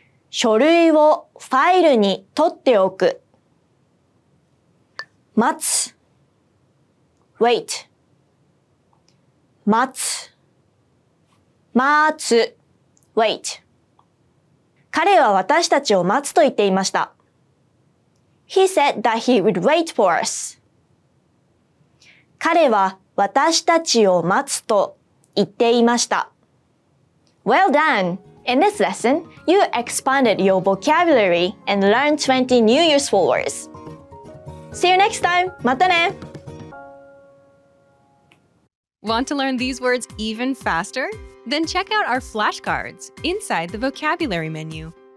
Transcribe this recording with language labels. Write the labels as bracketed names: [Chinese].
[Japanese] 書類をファイルに取っておく。待つ。wait。 待つ、待つ、wait。彼は私たちを待つと言っていました。 [English] He said that he would wait for us. [Japanese] 彼は私たちを待つと言っていました。 [English] Well done! In this lesson, you expanded your vocabulary and learned 20 New Year's words. See you next time! [Japanese] またね! [English] Want to learn these words even faster? Then check out our flashcards inside the vocabulary menu.